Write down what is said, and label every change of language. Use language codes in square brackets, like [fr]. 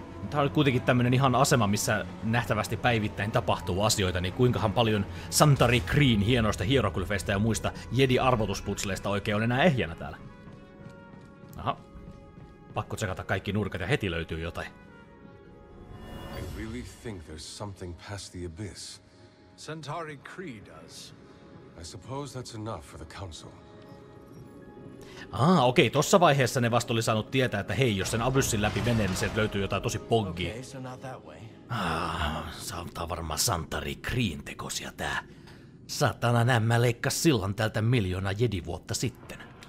[fi] Tää on kuitenkin tämmönen ihan asema, missä nähtävästi päivittäin tapahtuu asioita, niin kuinkahan paljon Santari Green hienoista hieroglyfeistä ja muista Jedi-arvotuspuzzleista oikein on enää ehjänä täällä. Aha. Pakko tsekata kaikki nurkat ja heti löytyy jotain. [en] I really think there's something past the abyss. Centauri Kree does. I suppose that's enough for the council. [fi] Okei, tossa vaiheessa ne vasta oli saanut tietää, että hei, jos sen abyssin läpi menee, niin sieltä löytyy jotain tosi poggia. [en] Okay, so not that way. [fi] Saattaa varmaan Santari Kreen tekosia tää. Satana nämä leikkas sillan tältä 1 000 000 jedivuotta sitten.